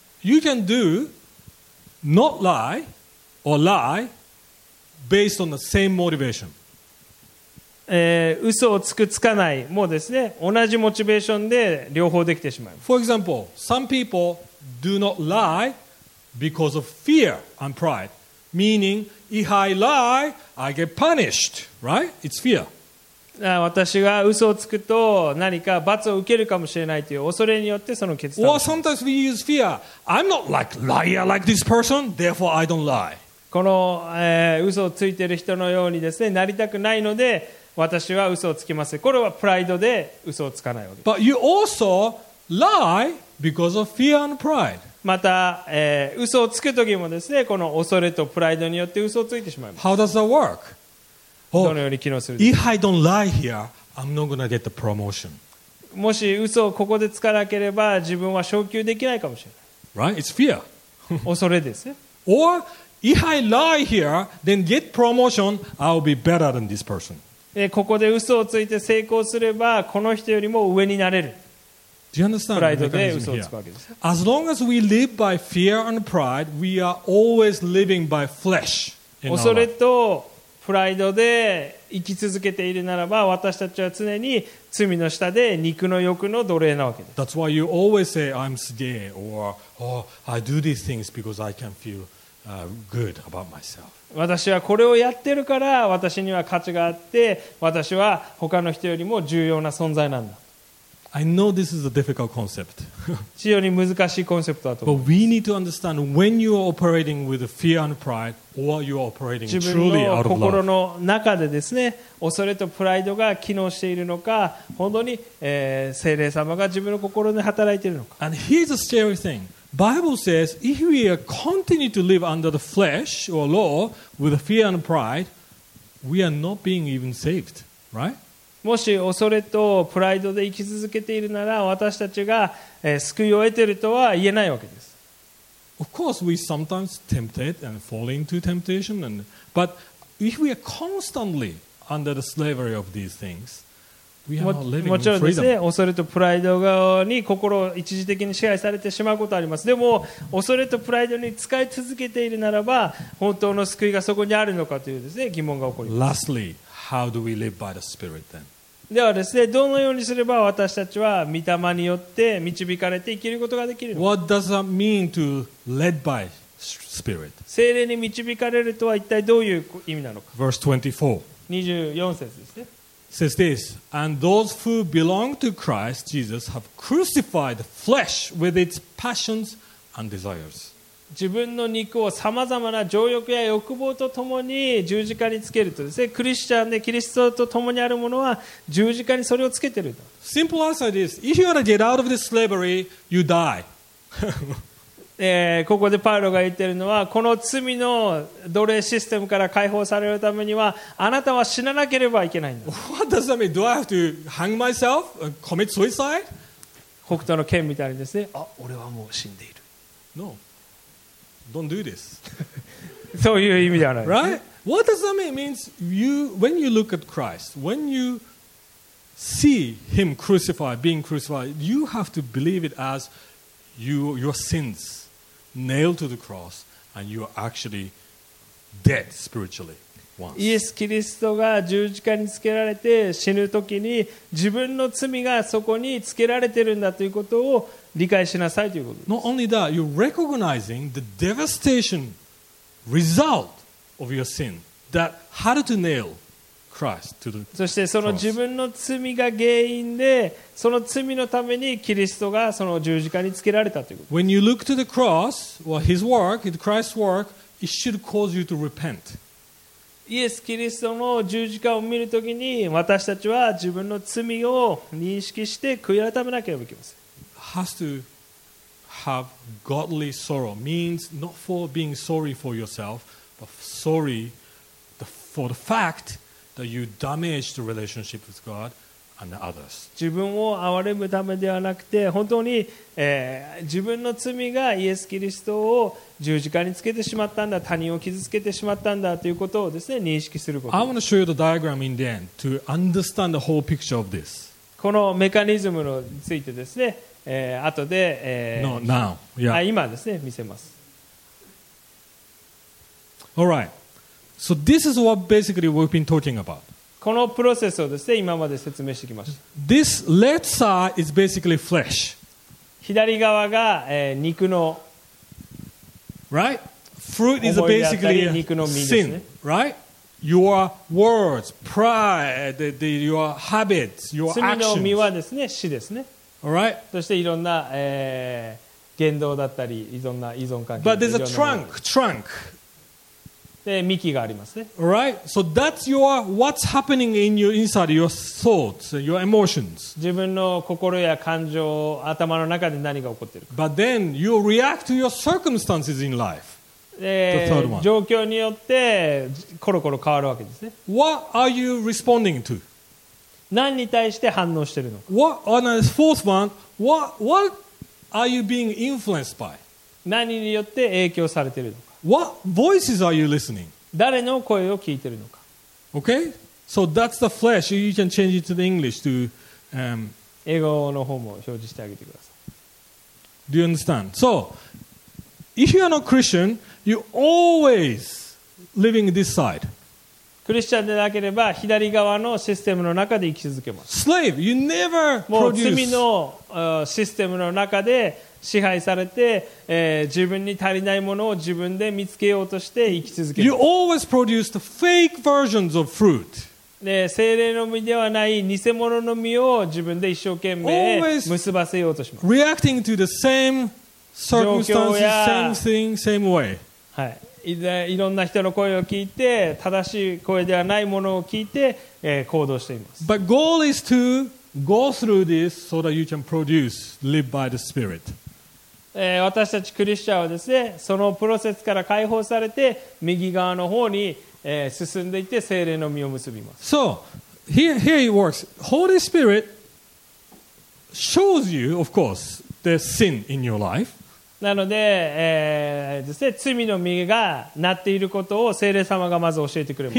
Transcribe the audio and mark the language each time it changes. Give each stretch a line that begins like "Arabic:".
English: You can do not lie or lie based on the same motivation.
Japanese: 嘘をつくつかないもうですね、同じモチベーションで両方できてしまいます。
English: For example, some people do not lie because of fear and pride. Meaning, if I lie, I get punished, right? It's fear.
Japanese: 私が嘘をつくと何か罰を受けるかもしれないという恐れによってその決断。
English: Or sometimes we use fear. I'm not like liar like this person, therefore I don't lie.
Japanese: この、嘘をついている人のようにですね、なりたくないので私は嘘をつきます。これはプライドで嘘をつかないわけです。
English: But you also lie because of fear and pride.
Japanese: また、嘘をつくときもですね、この恐れとプライドによって嘘をついてしまいます。
English: How does that work?
Japanese: どのように機能するでしょうか?
English: If I don't lie here, I'm not gonna get the promotion.
Japanese: もし嘘をここでつかなければ、自分は昇級できないかもしれない。
English: Right? It's fear.
Japanese: 恐れですね。
English: Or if I lie here, then get promotion, I'll be better than this person.
Japanese: ここで嘘をついて成功すれば、この人よりも上になれる。
English: Do you understand the mechanism here? As long as we live by fear and pride, we are always living by flesh.
Japanese: 恐れとプライドで生き続けているならば、私たちは常に罪の下で肉の欲の奴隷なわけです。
English: That's why you always say, I'm gay, or, oh, I do these things because I can feel, good about myself.
Japanese: 私はこれをやってるから、私には価値があって、私は他の人よりも重要な存在なんだ。
English: I know this is a difficult concept.
Japanese: 非常に難しいコンセプトだと思います。
English: But we need to understand when you are operating with fear and pride, or you are operating truly out of love.
Japanese: 自分の心の中でですね、恐れとプライドが機能しているのか、本当に、聖霊様が自分の心で働いているのか。
English: And here's a scary thing. Bible says if we are continue to live under the flesh or law with fear and pride, we are not being even saved, right?
Japanese: もし恐れとプライドで生き続けているなら私たちが救いを得ているとは言えないわけです。
English: Of course, we sometimes tempted and fall into temptation, but if we are constantly under the slavery of these things,
Japanese: もちろんですね、恐れとプライドに心を一時的に支配されてしまうことがあります。でも恐れとプライドに使い続けているならば、本当の救いがそこにあるのかというですね、疑問が起こります。
English: Lastly, how do we live by the Spirit then?
Japanese: ではですね、どのようにすれば私たちは御霊によって導かれて生きることができるのか。
English: What does that mean to led by Spirit?
Japanese: 聖霊に導かれるとは一体どういう意味なのか。
English: Verse 24.
Japanese: 24節ですね。
English: Says this, and those who belong to Christ Jesus have crucified the flesh with its passions and desires.
Japanese: 自分の肉をさまざまな情欲や欲望とともに十字架につけるとですね、クリスチャンでキリストとともにあるものは十字架にそれをつけてると。
English: Simple answer is, if you want to get out of this slavery, you die.
Japanese: ここでパウロが言っているのは、この罪の奴隷システムから解放されるためには、あなたは死ななければいけないんだ。
English: What does that mean? Do I have to hang myself? Commit suicide?
Japanese: 北斗の拳みたいにですね、あ、俺はもう死んでいる。
English: No. Don't do this.
Japanese: そういう意味ではない。
English: Right? What does that mean? It means you, when you look at Christ, when you see him crucified, being crucified, you have to believe it as your sins. Nailed to the cross, and you are actually dead spiritually. Once.
Japanese: イエス・キリストが十字架につけられて死ぬときに自分の罪がそこにつけられているんだということを理解しなさいということです。
English: Not only that, you're recognizing the devastation result of your sin that had to nail Christ to the cross.
Japanese: そしてその自分の罪が原因で。その罪のためにキリストがその十字架につけられたということ。
English: When you look to the cross, well, his work, Christ's work, it should cause you to repent.
Japanese: イエス・キリストの十字架を見るときに、私たちは自分の罪を認識して悔い改めなければいけません。
English: Has to have godly sorrow means not for being sorry for yourself, but sorry for the fact that you damaged the relationship with God.
Japanese: 自分を憐れむためではなくて、本当に、自分の罪がイエス・キリストを十字架につけてしまったんだ、他人を傷つけてしまったんだということをですね、認識すること。
English: I want to show you the diagram in the end to understand the whole picture of this.
Japanese: このメカニズムについてですね、後で、
English: No, now. Yeah.
Japanese: 今ですね、見せます。
English: All right. So this is what basically we've been talking about.
Japanese: このプロセスをですね、今まで説明してきました。
English: This left side is basically flesh.
Japanese: 左側が、肉の。
English: Right? Fruit is basically sin, right? Your words, pride, your habits, your actions.
Japanese: 罪の実はですね、死ですね。
English: Alright?
Japanese: そしていろんな、言動だったり、いろんな依存関係。
English: But there's a trunk.
Japanese: で幹がありますね。
English: All right, so that's your what's happening in your inside, your thoughts, your emotions.
Japanese: 自分の心や感情、頭の中で何が起こっているか。
English: But then you react to your circumstances in life. The third one.
Japanese: 状況によってコロコロ変わるわけですね。
English: What are you responding to?
Japanese: 何に対して反応しているのか。
English: What on the fourth one? What are you being influenced by?
Japanese: 何によって影響されているのか。
English: What voices are you listening?
Japanese: 誰の声を聞いているのか。
English: Okay, so that's the flesh. You can change it to the English to.
Japanese: 英語の方も表示してあげてください。
English: Do you understand? So, if you are not Christian, you always living this side.
Japanese: クリスチャンでなければ左側のシステムの中で生き続けます。
English: Slave, you never produce.
Japanese: もう罪の、システムの中で。支配されて、自分に足りないものを自分で見つけようとして生き続けます。
English: You always produce the fake versions of fruit.
Japanese: 聖霊の実ではない偽物の実を自分で一生懸命結ばせようとします。
English: Reacting to the same circumstances, same thing, same way.
Japanese: はい。いろんな人の声を聞いて、正しい声ではないものを聞いて、行動しています。
English: But goal is to go through this so that you can produce, live by the Spirit.
Japanese: 私たちクリスチャンはですね、そのプロセスから解放されて、右側の方に、進んでいって、聖霊の実を結びます。
English: So, here it works. Holy Spirit shows you, of course, the sin in your life.
Japanese: なので、ですね、罪の実がなっていることを聖霊様がまず教えてくれます。